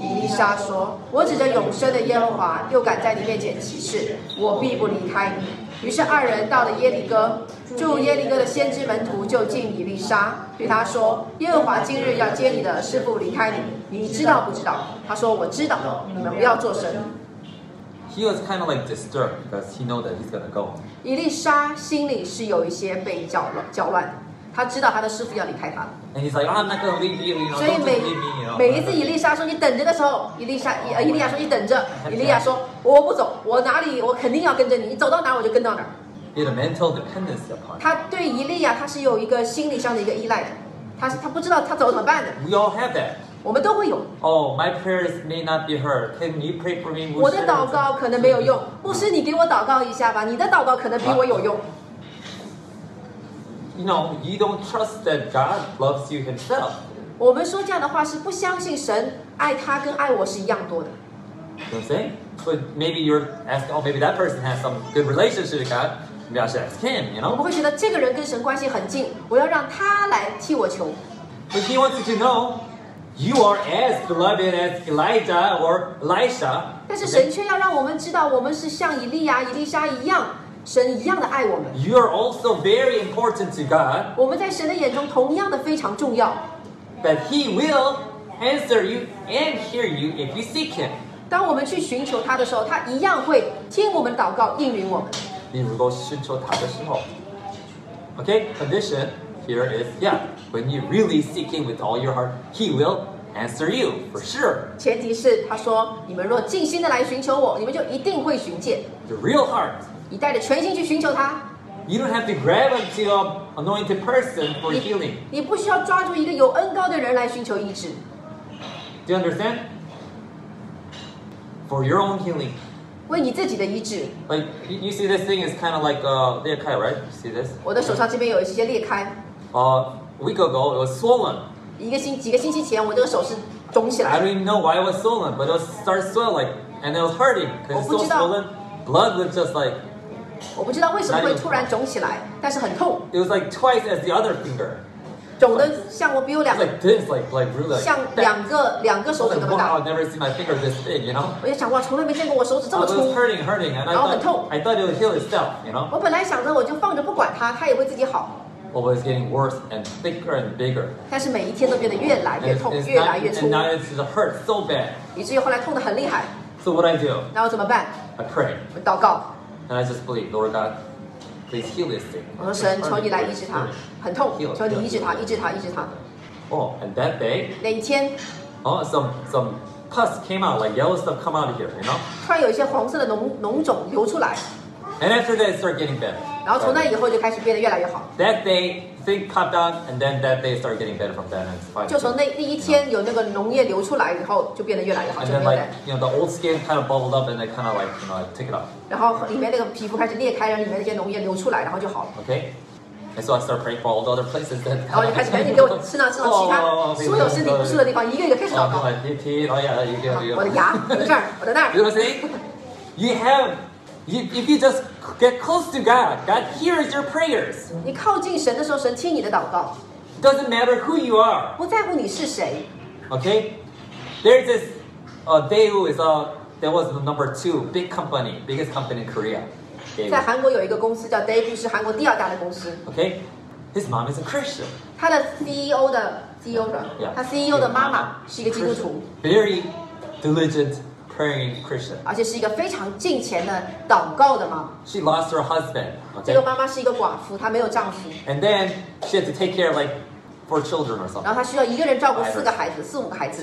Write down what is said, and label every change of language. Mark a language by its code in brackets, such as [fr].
[zh] 以利沙说：“我指着永生的耶和华，又敢在你面前起誓，我必不离开你。” 于是二人到了耶利哥，住耶利哥的先知门徒就进以利沙，对他说：“耶和华今日要接你的师父离开你，你知道不知道？” 他说：“我知道，你们不要作声。” [en] He was kind of like disturbed because he know that he's gonna go. [zh] 以利沙心里是有一些被搅乱的，他知道他的师父要离开他了。 [en] And he's like, I'm not gonna leave you. You know, [zh] 所以每一次以利沙说你等着的时候，以利亚说你等着，以利亚说。我不走，我哪里，我肯定要跟着你，你走到哪儿我就跟到哪儿。 [en] He had a mental dependency upon him. [zh] 他对以利亚，他是有一个心理上的一个依赖的，他不知道他走怎么办的。 [en] We all have that. [zh] 我们都会有。 [en] Oh, my prayers may not be heard. Can you pray for me? [zh] 我的祷告可能没有用，牧师，你给我祷告一下吧。你的祷告可能比我有用。 [en] know, you don't trust that God loves you himself. [zh] 我们说这样的话是不相信神爱他跟爱我是一样多的。 [en] You know what I'm saying? But maybe you're asking, oh, maybe that person has some good relationship with God. Maybe I should ask him, you know? [zh] 我会觉得这个人跟神关系很近，我要让他来替我求。 [en] But he wants you to know, you are as beloved as Elijah or Elisha. [zh] 但是神却要让我们知道，我们是像以利亚、以利沙一样，神一样的爱我们。 [en] You are also very important to God. [zh] 我们在神的眼中同样的非常重要。 [en] But he will answer you and hear you if you seek him. [zh] 当我们去寻求他的时候，他一样会听我们祷告，应允我们。你如果寻求他的时候 [en] ，Okay, condition here is, yeah, when you really seek him with all your heart, he will answer you for sure. [zh] 前提是他说，你们若尽心的来寻求我，你们就一定会寻见。 [en] The real heart. [zh] 你带着全心去寻求他。 [en] You don't have to grab onto an anointed person for healing. [zh] 你不需要抓住一个有恩膏的人来寻求医治。 [en] Do you understand? For your own healing. [zh] 为你自己的医治 [en] Like, you see this thing is kind of like a 裂开 right? You see this? [zh] 我的手上这边有一些裂开 [en] week ago, it was swollen. [zh] 几个星期前我这个手是肿起来 [en] I don't even know why it was swollen, but it started swelling, and it was hurting, because it's so swollen. Blood was just like... [zh] 我不知道为什么会突然肿起来但是很痛 [en] It was like twice as the other finger. [zh] 肿得像我比我两个 [en] like this, like really like [zh] 像两个手指那么大 [en] wow, I've never seen my finger this big, you know [zh] 我也想哇从来没见过我手指这么粗 [en] I was hurting and [zh] 然后很痛 [en] I thought it would heal itself, you know [zh] 我本来想着我就放着不管它它也会自己好 [en] Well, it's getting worse and thicker and bigger [zh] 但是每一天都变得越来越痛 [en] it's [zh] 越来越粗 [en] And now it's hurt so bad [zh] 以至于后来痛得很厉害 [en] So what I do [zh] 那我怎么办 [en] I pray [zh] 我祷告 [en] And I just believe, Lord GodPlease heal this thing. [zh] 我说神，求你来医治他，很痛，求你医治他，医治他，医治他。 [en] Oh, and that day. [zh] 那一天。 [en] Oh, some pus came out, like yellow stuff come out of here, you know. [zh] 突然有一些黄色的脓肿流出来。 [en] And after that, it started getting better. [zh] 然后从那以后就开始变得越来越好。 [en] That day, thing popped out, and then that day started getting better from that. [zh] 就从那第一天有那个脓液流出来以后，就变得越来越好。 [en] And then like, you know, the old skin kind of bubbled up, and they kind of like, you know, like, took it off. [zh] 然后里面那个皮肤开始裂开，然后里面那些脓液流出来，然后就好了。 [en] Okay, and so I started praying for all the other places. [zh] 然后就开始赶紧给我吃到其他所有身体不适的地方，一个一个开始祷告。我的皮，然后牙，一个一个。我的牙，有事儿，我的那儿。 [en] You know what I'm saying? You have. If you just get close to God, God hears your prayers. [zh] 你靠近神的时候，神听你的祷告。 [en] Doesn't matter who you are. [zh] 不在乎你是谁。 [en] Okay, there's this Daewoo is that was the number two big company, biggest company in Korea. [zh] 在韩国有一个公司叫 Daewoo, 是韩国第二大的公司。 [en] Okay, his mom is a Christian. [zh] 他的 CEO 的 [en] yeah, [zh] 他 CEO 的妈妈是一个基督徒。 [en] Very diligent. Praying Christian, [zh] 而且是一个非常敬虔的祷告的妈妈。 [en] She lost her husband. Okay. [zh] 这个妈妈是一个寡妇，她没有丈夫。 [en] And then she had to take care of like four children or something. [zh] 然后她需要一个人照顾四个孩子，四五个孩子。